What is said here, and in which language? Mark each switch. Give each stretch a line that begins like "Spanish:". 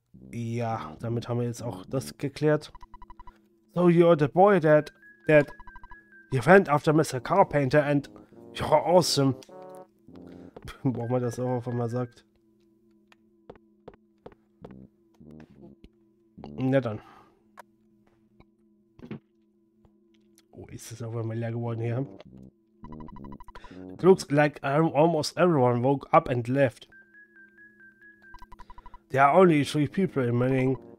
German: Ja, damit haben wir jetzt auch das geklärt.
English: So you're the boy that you went after Mr. Carpenter and you're awesome.
German: Braucht man das auch, wenn man sagt. Na dann. Oh, ist das auf einmal leer geworden hier?
English: It looks like almost everyone woke up and left. There are only three people remaining.